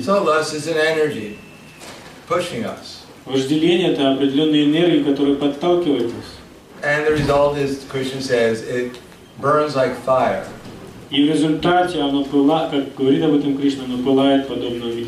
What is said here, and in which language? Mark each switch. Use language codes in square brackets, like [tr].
[en] So lust is an energy pushing us. [ru] Вожделение — это определенная энергия, которая подталкивает нас. [en] And the result is, Krishna says, it burns like fire. [ru] И в результате оно пылает, как говорит об этом Кришна, оно пылает подобно огню.